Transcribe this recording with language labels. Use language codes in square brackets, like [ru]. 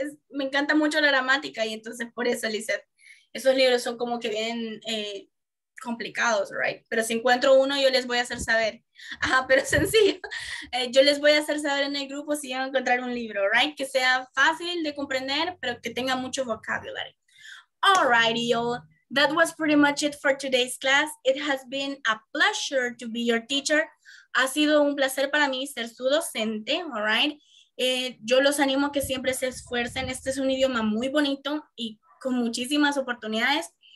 [es] Me encanta mucho la gramática y entonces por eso, Lisa, esos libros son como que bien complicados, right? Pero si encuentro uno, yo les voy a hacer saber. Ajá, pero sencillo. Yo les voy a hacer saber en el grupo si van a encontrar un libro, right? Que sea fácil de comprender, pero que tenga mucho vocabulary. [en] All righty, y'all. That was pretty much it for today's class. It has been a pleasure to be your teacher. [es] Ha sido un placer para mí ser su docente, all right? Yo los animo a que siempre se esfuercen. Este es un idioma muy bonito y con muchísimas oportunidades.